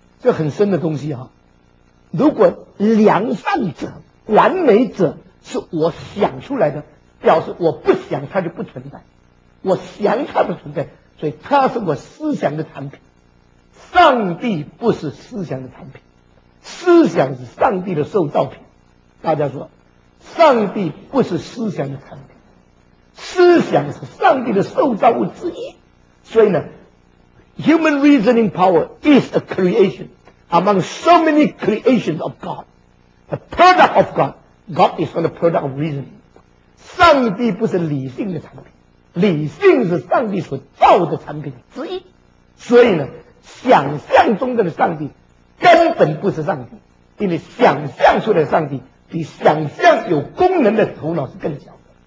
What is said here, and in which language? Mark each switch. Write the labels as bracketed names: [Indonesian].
[Chinese] 这很深的东西啊。如果良善者、完美者是我想出来的，表示我不想它就不存在，我想它的存在，所以它是我思想的产品。上帝不是思想的产品，思想是上帝的受造品。大家说，上帝不是思想的产品，思想是上帝的受造物之一。所以呢 [English] human reasoning power is a creation among so many creations of God， the product of God， God is not the product of reasoning。 [Chinese] 上帝不是理性的产品，理性是上帝所造的产品之一。所以呢，想象中的上帝根本不是上帝，因为想象出来的上帝比想象有功能的头脑是更小。